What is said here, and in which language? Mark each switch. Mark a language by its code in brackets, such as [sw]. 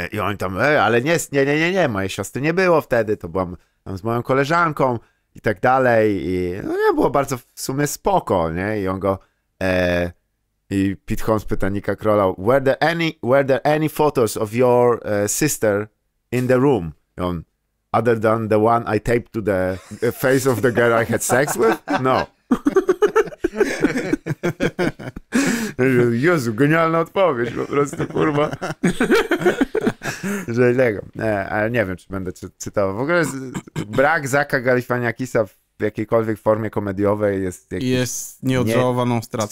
[pl] I oni tam, ale nie, mojej siostry nie było wtedy, to byłam tam z moją koleżanką i tak dalej. I no, nie było bardzo w sumie spoko, nie? I on go... I Pete Holmes pyta Nicka Krolla, [en] were there any photos of your sister in the room? On, other than the one I taped to the face of the girl I had sex with? No. [pl] Jezu, genialna odpowiedź, po prostu, kurwa. Że Lego. Ale nie wiem, czy będę cytował. W ogóle brak Zacha Galifianakisa w jakiejkolwiek formie komediowej jest... Jest nieodżałowaną stratą.